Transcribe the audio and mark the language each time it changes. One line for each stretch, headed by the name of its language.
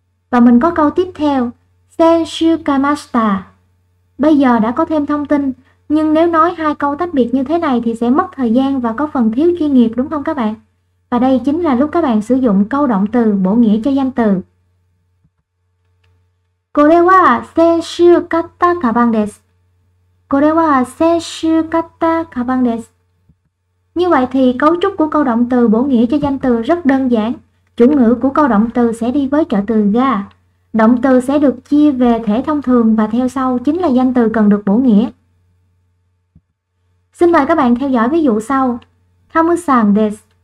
Vietnamese: Và mình có câu tiếp theo.
Japanese: Senshu kamashita.
Vietnamese: Bây giờ đã có thêm thông tin, nhưng nếu nói hai câu tách biệt như thế này thì sẽ mất thời gian và có phần thiếu chuyên nghiệp, đúng không các bạn? Và đây chính là lúc các bạn sử dụng câu động từ bổ nghĩa cho danh từ.
Japanese: これは先週買ったカバンです。これは先週買ったカバンです。
Vietnamese: Như vậy thì cấu trúc của câu động từ bổ nghĩa cho danh từ rất đơn giản. Chủ ngữ của câu động từ sẽ đi với trợ từ ga. Động từ sẽ được chia về thể thông thường và theo sau chính là danh từ cần được bổ nghĩa. Xin mời các bạn theo dõi ví dụ sau.
Japanese: Tamu-san desu.